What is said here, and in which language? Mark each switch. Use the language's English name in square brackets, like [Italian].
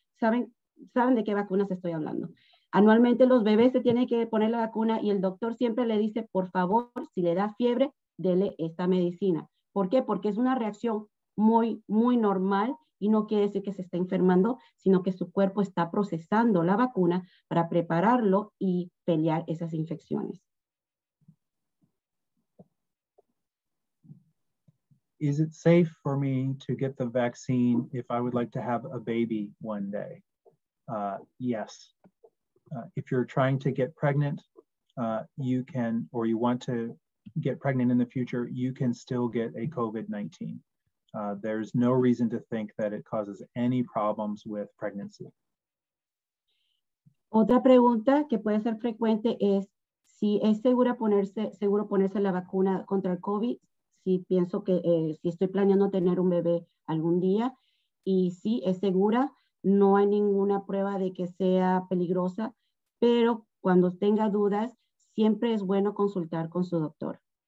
[Spanish] ¿Saben de qué vacunas estoy hablando? Anualmente los bebés se tienen que poner la vacuna y el doctor siempre le dice, por favor, si le da fiebre, dele esta medicina. ¿Por qué? Porque es una reacción muy, muy normal. Y no quiere decir que se está enfermando, sino que su cuerpo está procesando la vacuna para prepararlo y pelear esas infecciones. [English] Is it safe for me to get the vaccine if I would like to have a baby one day? Yes. If you're trying to get pregnant, you can, or you want to get pregnant in the future, you can still get a COVID-19. There's no reason to think that it causes any problems with pregnancy. [Spanish] Otra pregunta que puede ser frecuente es si es seguro ponerse la vacuna contra el COVID, si pienso que si estoy planeando tener un bebé algún día, y sí, es segura, no hay ninguna prueba de que sea peligrosa, pero cuando tenga dudas, siempre es bueno consultar con su doctor.